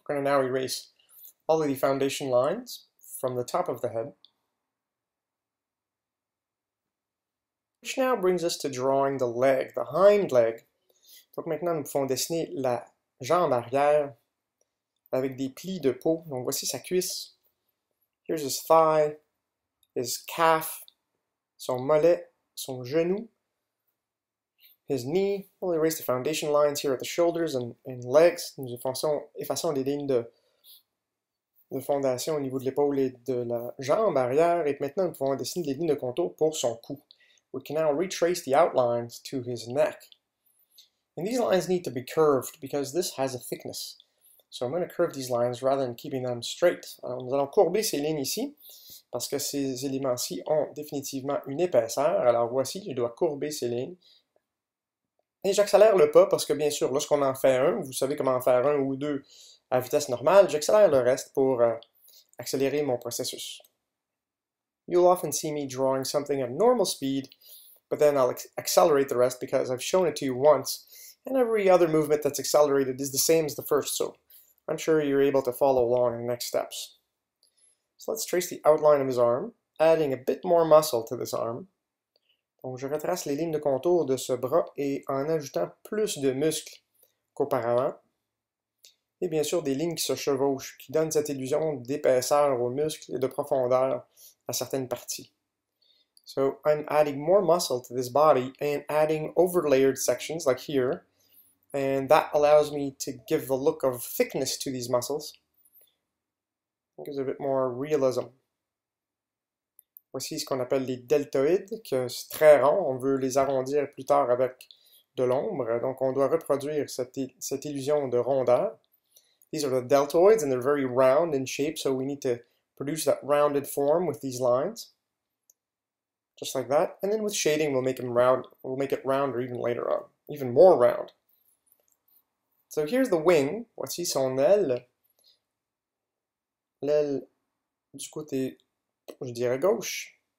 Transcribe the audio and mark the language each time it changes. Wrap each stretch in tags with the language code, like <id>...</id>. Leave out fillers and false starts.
<en>We're going to now erase all of the foundation lines from the top of the head. Which now brings us to drawing the leg, the hind leg.</en> <fr>Donc, maintenant, nous pouvons dessiner la jambe arrière avec des plis de peau. Donc, voici sa cuisse.</fr> <en>Here's his thigh, his calf,</en> <fr>son mollet, son genou,</fr> <en>his knee. We'll erase the foundation lines here at the shoulders and legs.</en> <fr>Nous effaçons les lignes de fondation au niveau de l'épaule et de la jambe arrière. Et maintenant, nous pouvons dessiner les lignes de contour pour son cou.</fr> <en>We can now retrace the outlines to his neck. And these lines need to be curved because this has a thickness. So I'm going to curve these lines rather than keeping them straight.</en> <fr>Alors, nous allons courber ces lignes ici parce que ces éléments-ci ont définitivement une épaisseur. Alors voici, je dois courber ces lignes. Et j'accélère le pas parce que bien sûr, lorsqu'on en fait un, vous savez comment en faire un ou deux à vitesse normale, j'accélère le reste pour accélérer mon processus.</fr> <en>You'll often see me drawing something at normal speed, but then I'll accelerate the rest because I've shown it to you once, and every other movement that's accelerated is the same as the first, so I'm sure you're able to follow along in the next steps. So let's trace the outline of his arm, adding a bit more muscle to this arm.</en> <fr>Donc, je retrace les lignes de contour de ce bras et en ajoutant plus de muscles qu'auparavant. Et bien sûr, des lignes qui se chevauchent, qui donnent cette illusion d'épaisseur aux muscles et de profondeur à certaines parties.</fr> <en>So I'm adding more muscle to this body and adding overlayered sections like here. And that allows me to give the look of thickness to these muscles. It gives a bit more realism.</en> <fr>Voici ce qu'on appelle les deltoïdes, que c'est très rond, on veut les arrondir plus tard avec de l'ombre, donc on doit reproduire cette illusion de rondeur.</fr> <en>These are the deltoids and they're very round in shape, so we need to produce that rounded form with these lines. Just like that. And then with shading, we'll make it rounder even later on, even more round. So here's the wing,</en> <fr>voici son aile, l'aile du côté, je dirais gauche.</fr>